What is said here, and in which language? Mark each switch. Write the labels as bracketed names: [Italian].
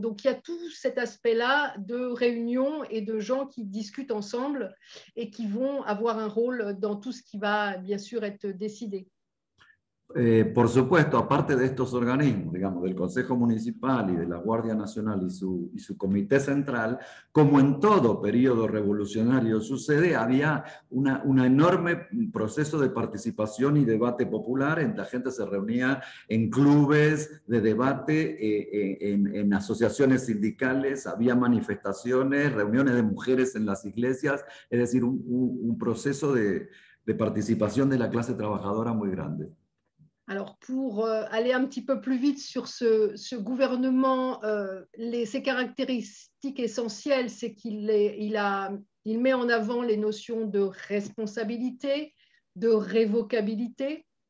[French] Donc, il y a tout cet aspect-là de réunions et de gens qui discutent ensemble et qui vont avoir un rôle dans tout ce qui va, bien sûr, être décidé. [Spanish] Por supuesto, aparte de estos organismos, digamos, del Consejo Municipal y de la Guardia Nacional y su Comité Central, como en todo periodo revolucionario sucede, había un enorme proceso de participación y debate popular. La gente se reunía en clubes de debate, en asociaciones sindicales, había manifestaciones, reuniones de mujeres en las iglesias, es decir, un proceso de participación de la clase trabajadora muy grande. [French] Alors, pour aller un petit peu plus vite sur ce gouvernement, ses caractéristiques essentielles, c'est qu'il met en avant les notions de responsabilité, de révocabilité.